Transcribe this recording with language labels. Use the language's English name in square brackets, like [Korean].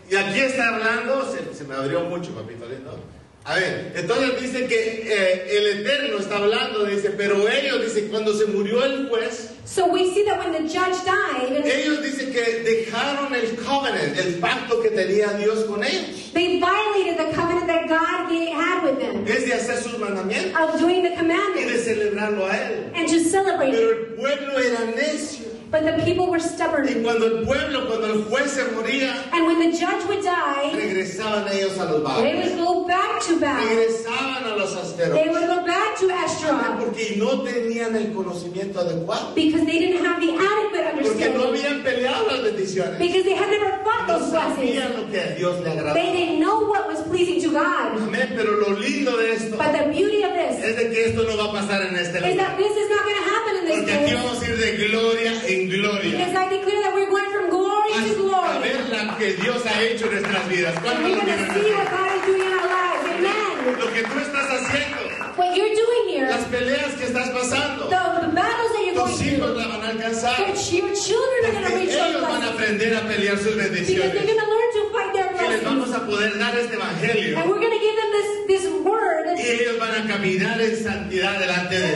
[Spanish] Y aquí está hablando, se me abrió mucho, papito lindo. A ver, entonces dice que el Eterno está hablando, dice, pero ellos dice cuando se murió el juez. [English] So we see that when the judge died. [Spanish] Ellos dicen que dejaron el covenant, el pacto que tenía Dios con ellos. [English] They violated the covenant that God had with them. [Spanish] Es de hacer sus mandamientos. [English] Of doing the commandments. [Spanish] Y de celebrarlo a él. [English] And to celebrate. [Spanish] Pero el pueblo era necio. [English] But the people were stubborn. [Spanish] Y cuando el pueblo, cuando el juez se moría, [English] and when the judge would die, [Spanish] regresaban ellos a los Baales. [English] They would go back to Baal. [Spanish] Regresaban a los Asteros. [English] They would go back to Ashtaroth. [Spanish] Porque no tenían el conocimiento adecuado. [English] Because they didn't have the adequate understanding. [Spanish] Porque no habían peleado las bendiciones. [English] Because they had never fought those blessings. [Spanish] No sabían lo que a Dios le agradaba. [English] They didn't know what was pleasing to God. [Spanish] Amén. Pero lo lindo de esto, [English] but the beauty of this, [Spanish] es de que esto no va a pasar en este lugar. [English] Is that this is not going to happen in this [Spanish] porque [English] place. [Spanish] Porque aquí vamos a ir de gloria en gloria. [English] Because I declare that we're going from glory [Spanish] a [English] to glory. [Spanish] A ver lo que Dios ha hecho en nuestras vidas. [English] We're going to see what God is doing in our lives. Amen. [Spanish] Lo que tú estás haciendo. [English] What you're doing here. [Spanish] Las peleas que estás pasando. [English] The battles that you're going through. [Spanish] Tus hijos van a alcanzar. [English] Your children are going to reach [Spanish] ellos [English] your [Spanish] van a aprender a pelear sus bendiciones. [English] Because they're going to learn to fight their blessings. [Spanish] Y les vamos a poder dar este evangelio. [English] And we're going to give them this word. [Spanish] Y ellos van a caminar en santidad delante de